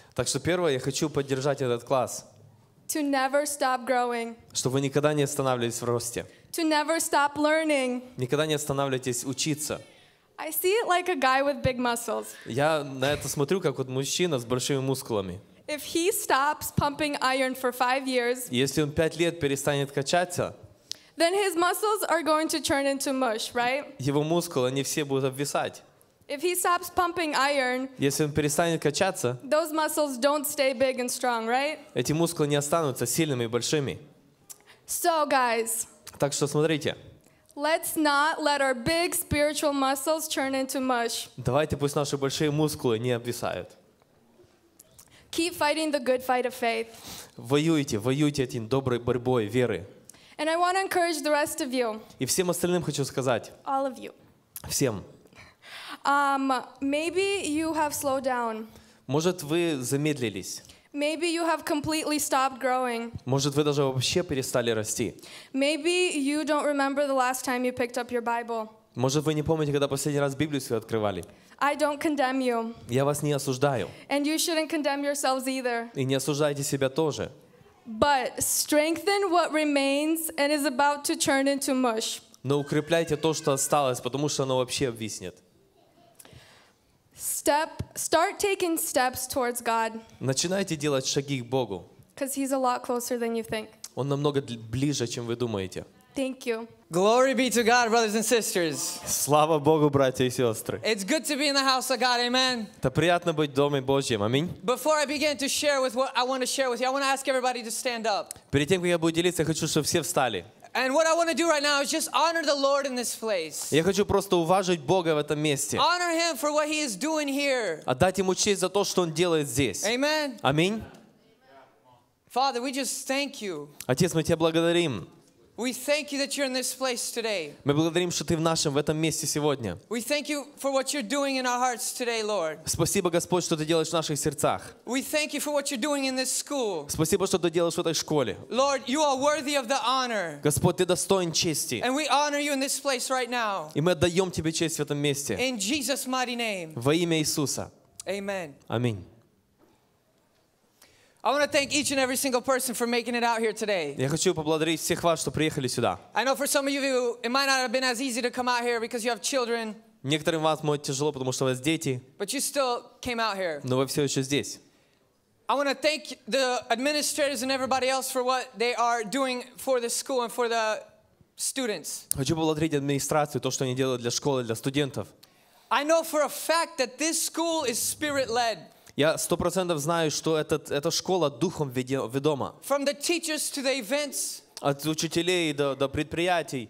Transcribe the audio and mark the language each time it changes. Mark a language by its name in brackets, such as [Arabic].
[Russian] Так что первое, я хочу поддержать этот класс. [English] To never stop growing. [Russian] Чтобы вы никогда не останавливались в росте. [English] To never stop learning. [Russian] Никогда не останавливайтесь учиться. [English] I see it like a guy with big muscles. [Russian] Я на это смотрю как вот мужчина с большими мускулами. [English] If he stops pumping iron for 5 years. [Russian] Если он 5 лет перестанет качаться. [English] Then his muscles are going to turn into mush, right? [Russian] Его мускулы, они все будут обвисать. [English] If he stops pumping iron, [Russian] если он перестанет качаться, [English] those muscles don't stay big and strong, right? [Russian] Эти мускулы не останутся сильными и большими. [English] So, guys, [Russian] так что смотрите. [English] Let's not let our big spiritual muscles turn into mush. [Russian] Давайте пусть наши большие мускулы не обвисают. [English] Keep fighting the good fight of faith. [Russian] Воюйте, воюйте этим доброй борьбой веры. [English] And I want to encourage the rest of you. [Russian] И всем остальным хочу сказать. [English] All of you. [Russian] Всем. [English] Maybe you have slowed down. [Russian] Может вы замедлились. [English] Maybe you have completely stopped growing. [Russian] Может вы даже вообще перестали расти. [English] Maybe you don't remember the last time you picked up your Bible. [Russian] Может вы не помните, когда последний раз Библию свою открывали. [English] I don't condemn you. [Russian] Я вас не осуждаю. [English] And you shouldn't condemn yourselves either. [Russian] И не осуждайте себя тоже. [English] But strengthen what remains and is about to turn into mush. [Russian] Но укрепляйте то, что осталось, потому что оно вообще обвиснет. [English] Start taking steps towards God. [Russian] Начинайте делать шаги к Богу. [English] Because He's a lot closer than you think. [Russian] Он намного ближе, чем вы думаете. [English] Thank you. Glory be to God, brothers and sisters. [Russian] Слава Богу, братья и сестры. [English] It's good to be in the house of God, amen. [Russian] Это приятно быть в доме Божьем, аминь. [English] Before I begin to share with what I want to share with you, I want to ask everybody to stand up. [Russian] Перед тем, как я буду делиться, я хочу, чтобы все встали. [English] And what I want to do right now is just honor the Lord in this place. [Russian] Я хочу просто уважить Бога в этом месте. [English] Honor Him for what He is doing here. [Russian] Отдать Ему честь за то, что Он делает здесь. [English] Amen. [Russian] Аминь. [English] Father, we just thank you. [Russian] Отец, мы тебя благодарим. [English] We thank you that you're in this place today. [Russian] Мы благодарим, что ты в нашем, в этом месте сегодня. [English] We thank you for what you're doing in our hearts today, Lord. [Russian] Спасибо, Господь, что ты делаешь в наших сердцах. [English] We thank you for what you're doing in this school. [Russian] Спасибо, что ты делаешь в этой школе. [English] Lord, you are worthy of the honor. [Russian] Господь, ты достоин чести. [English] And we honor you in this place right now. [Russian] И мы отдаем тебе честь в этом месте. [English] In Jesus' mighty name. [Russian] Во имя Иисуса. [English] Amen. Amen. I want to thank each and every single person for making it out here today. [Russian] Я хочу поблагодарить [Ukrainian] всіх вас, що приїхали сюди. [English] I know for some of you it might not have been as easy to come out here because you have children. [Ukrainian] Некоторым вас може тяжело, тому що у вас діти. [English] But you still came out here. [Russian] Но вы все еще здесь. [English] I want to thank the administrators and everybody else for what they are doing for the school and for the students. [Russian] Хочу поблагодарить [Ukrainian] адміністрацію то, що вони роблять для школи, для студентів. [English] I know for a fact that this school is spirit-led. [Russian] Я 100% знаю, що эта школа духом ведома. [English] From the teachers to the events. [Russian] От учителей до предприятий.